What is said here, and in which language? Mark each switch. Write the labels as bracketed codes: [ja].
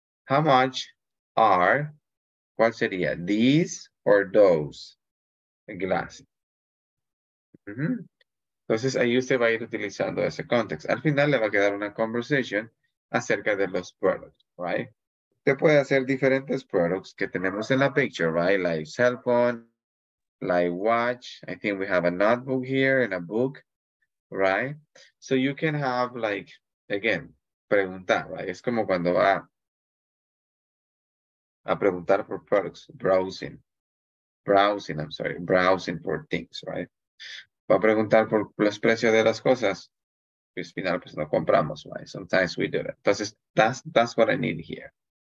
[en] How much are, [es] ¿cuál sería? [en] These or those glasses. Mm-hmm. [es] Entonces, ahí usted va a ir utilizando ese context. Al final le va a quedar una conversation acerca de los [en] products, right? [es] Usted puede hacer diferentes products que tenemos en la [en] picture, right? Like cell phone, like watch. I think we have a notebook here and a book, right? So you can have like, again, preguntar, right? [es] Es como cuando va a preguntar por products, browsing. [en] Browsing for things, right? [es] Va a preguntar por los precios de las cosas. Y al final, pues no compramos, [en] right? Sometimes we do that. [es] Entonces, [en] that's what I need here.